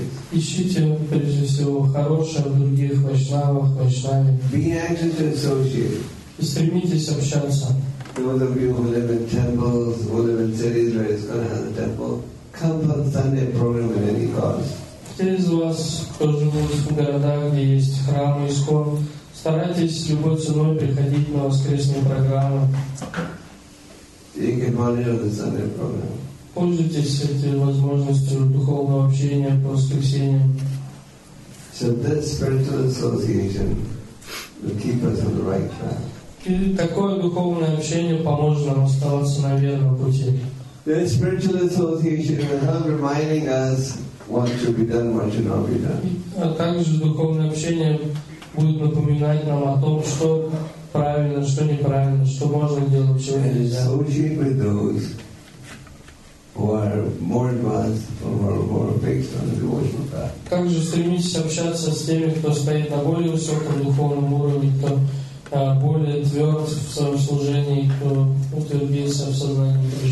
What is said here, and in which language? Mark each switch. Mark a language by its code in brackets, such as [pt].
[ru] Ищите, прежде всего, хорошее в других вайшнавах, вайшнаве. И стремитесь общаться. [en] Those of you who live in temples, who live in cities where it's going to have a temple, come for the Sunday program at any cost. [ru] Те из вас, кто живут в городах, где есть храмы, искон, старайтесь любой ценой приходить на воскресные программы. [en] Take advantage of the Sunday program. [ru] Пользуйтесь этой возможностью духовного общения по воскресеньям. [en] So this spiritual association will keep us on the right track. [ru] И такое духовное общение поможет нам оставаться на верном пути. [en] The spiritual association will help reminding us what should be done, what should not be done. [ru] А также духовное общение будет напоминать нам о том, что правильно, что неправильно, что можно делать, чего нельзя. [en] Associate with those who are more advanced or more fixed on the devotional path. [ru] Также стремитесь общаться с теми, кто стоит на более высоком духовном уровне, кто более тверд в своем служении, кто утвердился в сознании